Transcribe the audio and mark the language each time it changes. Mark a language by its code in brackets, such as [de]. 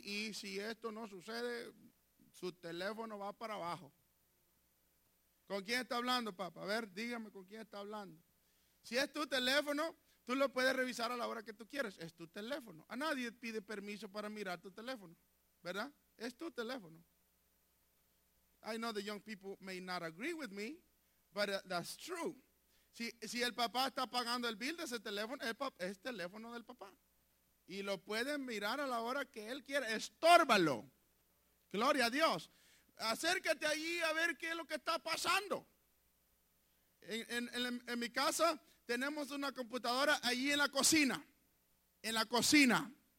[es] Y si esto no sucede, su teléfono va para abajo. ¿Con quién está hablando, papá? A ver, dígame con quién está hablando. Si es tu teléfono, tú lo puedes revisar a la hora que tú quieres. Es tu teléfono. A nadie pide permiso para mirar tu teléfono, ¿verdad? Es tu teléfono. [en] I know the young people may not agree with me. But that's true. [es] Si el papá está pagando el bill de ese teléfono, es teléfono del papá. Y lo pueden mirar a la hora que él quiera. Estórbalo. Gloria a Dios. Acércate allí a ver qué es lo que está pasando. En mi casa tenemos una computadora allí en la cocina. En la cocina.